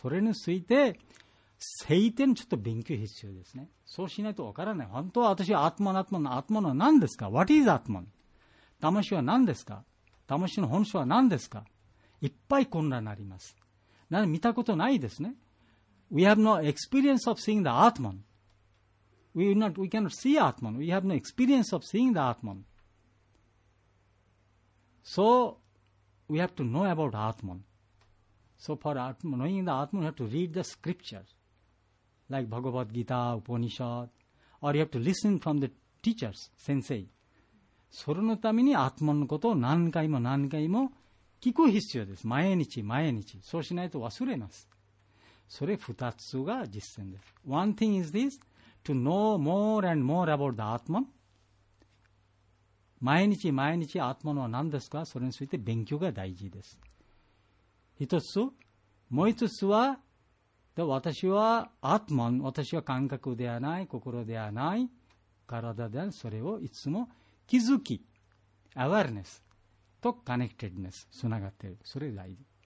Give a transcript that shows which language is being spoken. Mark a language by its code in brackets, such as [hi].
[ja] それについて、聖典ちょっと勉強必要ですね。そうしないと分からない。本当は私はアトモンは何ですか ? [en] What is [ja] アトモン魂は何ですか？魂の本性は何ですか？いっぱい混乱になります。なので見たことないですね。 [en] We have no experience of seeing the Atman. We cannot see Atman. We have no experience of seeing the Atman. So, we have to know about Atman. So, for Atman, knowing the Atman, you have to read the scriptures. Like Bhagavad Gita, Upanishad. Or you have to listen from the teachers, sensei. [ja] それのためにアトマンのことを何回も何回も聞く必要です。毎日毎日そうしないと忘れます。それ2つが実践です。 [en] One thing is this: to know more and more about the Atman。 [ja] 毎日毎日アトマンは何ですか、それについて勉強が大事です。一つ、もう一つは、私はアトマン、私は感覚ではない、心ではない、体ではない、それをいつも気づき、アワーネスとコネクテッドネス、つながっている、それが大事。